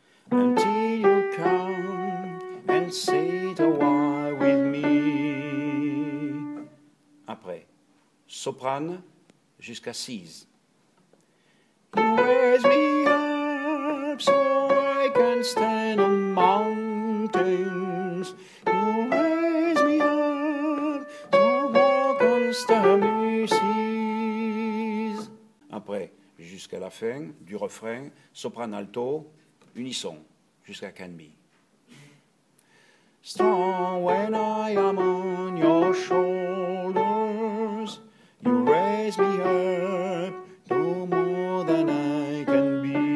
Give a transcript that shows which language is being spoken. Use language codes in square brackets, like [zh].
[en] Until you come and sit a while with me. [fr] Après, soprane jusqu'à sise. [en] Raise me up so I can stand on mountains. Raise me up to walk on stormy seas. [fr] Après, jusqu'à la fin du refrain, soprano alto. Unisson, jusqu'à [en] can be. Strong when I am on your shoulders, you raise me up to more than I can be.